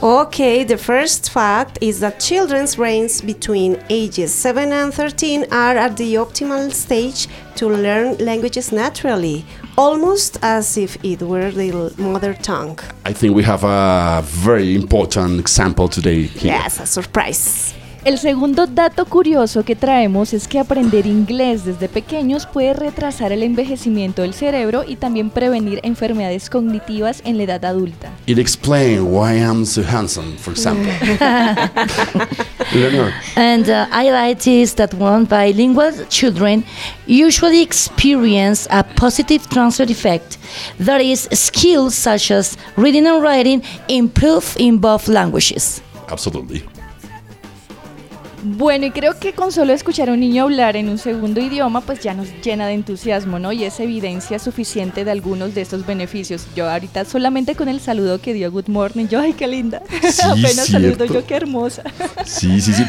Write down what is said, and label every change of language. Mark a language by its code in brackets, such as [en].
[en] Okay, the first fact is that children's brains between ages 7 and 13 are at the optimal stage to learn languages naturally, almost as if it were the mother tongue. I think we have a very important example today here. Yes, a surprise. [es] El segundo dato curioso que traemos es que aprender inglés desde pequeños puede retrasar el envejecimiento del cerebro y también prevenir enfermedades cognitivas en la edad adulta. [en] It explains why I'm so handsome, for example. Leonor. And I like this, that one, bilingual children usually experience a positive transfer effect. That is, skills such as reading and writing improve in both languages. Absolutely. [es] Bueno, y creo que con solo escuchar a un niño hablar en un segundo idioma, pues ya nos llena de entusiasmo, ¿no? Y es evidencia suficiente de algunos de estos beneficios. Yo ahorita solamente con el saludo que dio [en] Good Morning, [es] yo, ¡ay, qué linda! Sí, apenas cierto. Saludo yo, ¡qué hermosa! Sí, sí, sí.